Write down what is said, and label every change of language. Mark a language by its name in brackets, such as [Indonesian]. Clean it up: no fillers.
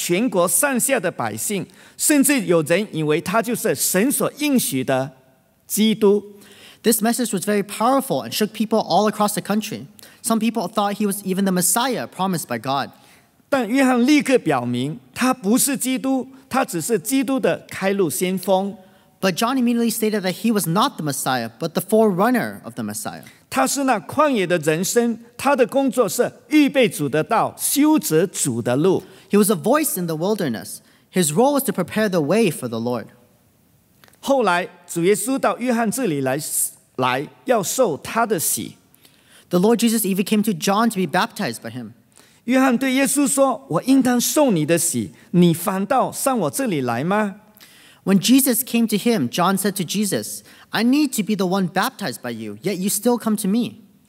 [Chinese] 这信息非常有能力震撼全国上下的百姓, 甚至有人以为他就是神所应许的基督。 [English] This message was very powerful and shook people all across the country. Some people thought he was even the Messiah promised by God. [Chinese] 但约翰立刻表明他不是基督,他只是基督的开路先锋。 [English] But John immediately stated that he was not the Messiah, but the forerunner of the Messiah. [Chinese] 他是那旷野的人生,他的工作是预备主的道,修直主的路。 [English] He was a voice in the wilderness. His role was to prepare the way for the Lord. [Chinese] 后来,主耶稣到约翰这里来,要受他的洗。 [English] The Lord Jesus even came to John to be baptized by him. [Chinese] 约翰对耶稣说,我应当受你的洗,你反倒上我这里来吗? [English] When Jesus came to him, John said to Jesus, I need to be the one baptized by you, yet you still come to me.